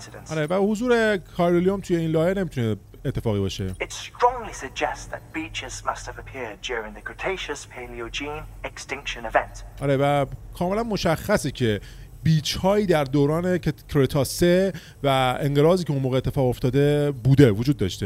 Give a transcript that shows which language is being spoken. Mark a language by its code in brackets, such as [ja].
[fa] آره، و حضور کایرلیوم توی این لایه نمیتونه اتفاقی باشه. [en] It strongly suggests that beaches must have appeared during the Cretaceous Paleogene extinction event. [fa] آره، و کاملا مشخصه که بیچ هایی در دوران کرتاسه و انقراضی که اون موقع اتفاق افتاده بوده، وجود داشته.